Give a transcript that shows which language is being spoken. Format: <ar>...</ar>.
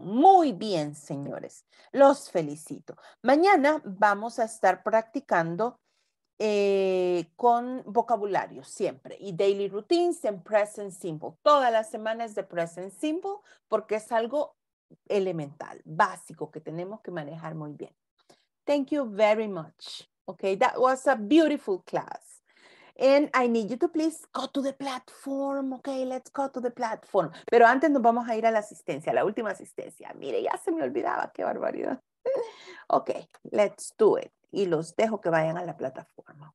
<es>Muy bien, señores. Los felicito. Mañana vamos a estar practicando con vocabulario siempre y daily routines en present simple. Todas las semanas de present simple porque es algo elemental, básico, que tenemos que manejar muy bien.</es> <en>Thank you very much. Okay, that was a beautiful class. And I need you to please go to the platform. Okay, let's go to the platform.</en> <es>Pero antes nos vamos a ir a la asistencia, la última asistencia. Mire, ya se me olvidaba, qué barbaridad.</es> <en>Okay, let's do it.</en> <es>Y los dejo que vayan a la plataforma.</es>